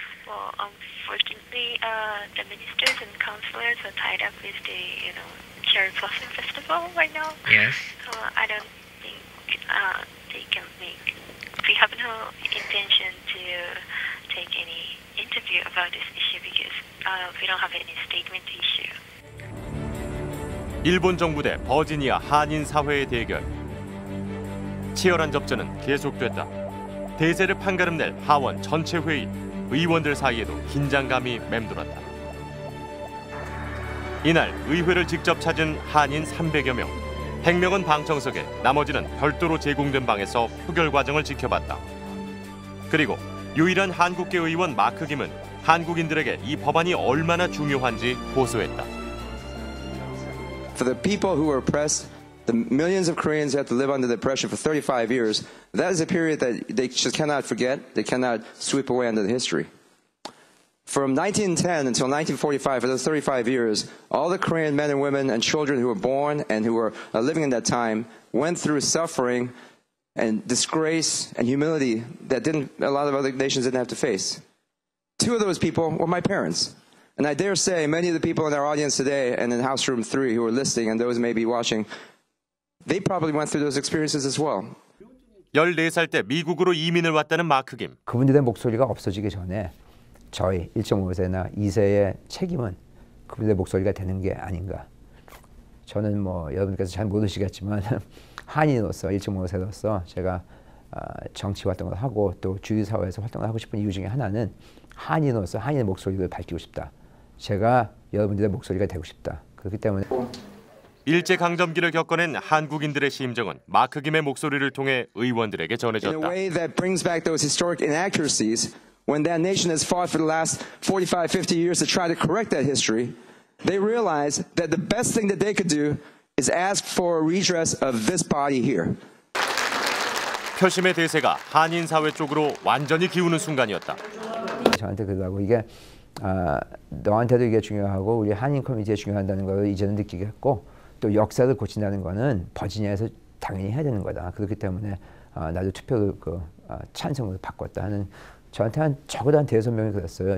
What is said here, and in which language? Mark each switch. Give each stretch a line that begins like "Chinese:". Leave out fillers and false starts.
English: Well, unfortunately, the ministers and counselors are tied up with the, you know, Cherry Blossom Festival right now. Yes. So I don't think they can make... We have no intention to take any interview about this issue because we don't have any statement to issue.
Korean: 일본 정부 대 버지니아 한인 사회의 대결. 치열한 접전은 계속됐다. 대세를 판가름낼 하원 전체 회의, 의원들 사이에도 긴장감이 맴돌았다. 이날 의회를 직접 찾은 한인 300여 명. 100명은 방청석에, 나머지는 별도로 제공된 방에서 표결 과정을 지켜봤다. 그리고 유일한 한국계 의원 마크 김은 한국인들에게 이 법안이 얼마나 중요한지 호소했다.
English: For the people who were oppressed, the millions of Koreans who have to live under the oppression for 35 years, that is a period that they just cannot forget, they cannot sweep away under the history. From 1910 until 1945, for those 35 years, all the Korean men and women and children who were born and who were living in that time went through suffering and disgrace and humility that didn't, a lot of other nations didn't have to face. Two of those people were my parents. And I dare say many of the people in our audience today and in House Room 3 who are listening and those may be watching, they probably went through those experiences as well.
Korean: 14살 때 미국으로 이민을 왔다는 마크 김. 그분들의 목소리가 없어지기 전에 저희 1.5세나 2세의 책임은 그분들의 목소리가 되는 게 아닌가. 저는 뭐 여러분께서 잘 모르시겠지만 한인으로서 1.5세로서 제가 정치 활동을 하고 또 주유사회에서 활동을 하고 싶은 이유 중에 하나는 한인으로서 한인의 목소리를 밝히고 싶다. 제가 여러분들의 목소리가 되고 싶다. 그렇기 때문에 일제 강점기를 겪어낸 한국인들의 심정은 마크 김의 목소리를 통해 의원들에게 전해졌다.
English: In a way that brings back those historic inaccuracies when that nation has fought for the last 45, 50 years to try to correct that history, they realize that the best thing that they could do is ask for a redress of this body here.
Korean: 표심의 대세가 한인 사회 쪽으로 완전히 기우는 순간이었다. 저한테 그러고 이게 너한테도 이게 중요하고 우리 한인 커뮤니티에 중요하다는 걸 이제는 느끼겠고 또 역사를 고친다는 거는 버지니아에서 당연히 해야 되는 거다. 그렇기 때문에 나도 투표를 찬성으로 바꿨다 하는 저한테 한 적어도 한 대여섯 명이 그랬어요.